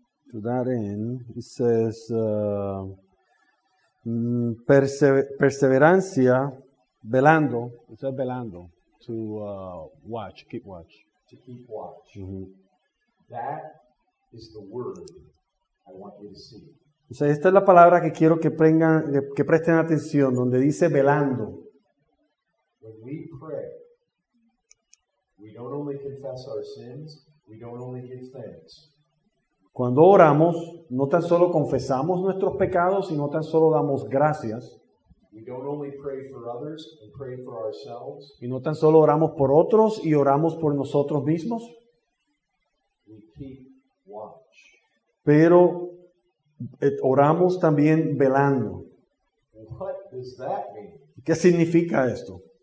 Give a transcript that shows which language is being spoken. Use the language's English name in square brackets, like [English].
[English] To that end, it says perseverancia, velando. It says velando. To watch, keep watch. To keep watch. Mm-hmm. That is the word I want you to see. [Spanish] O sea, esta es la palabra que quiero que presten atención, donde dice velando. [English] When we pray, we don't only confess our sins, we don't only give thanks. [Spanish] Cuando oramos, no tan solo confesamos nuestros pecados y no tan solo damos gracias. [English] We don't only pray for others and pray for ourselves. [Spanish] Y no tan solo oramos por otros y oramos por nosotros mismos. [English] We keep watch. [Spanish] Pero oramos también velando. [English] What does that mean? [Spanish] ¿Qué significa esto?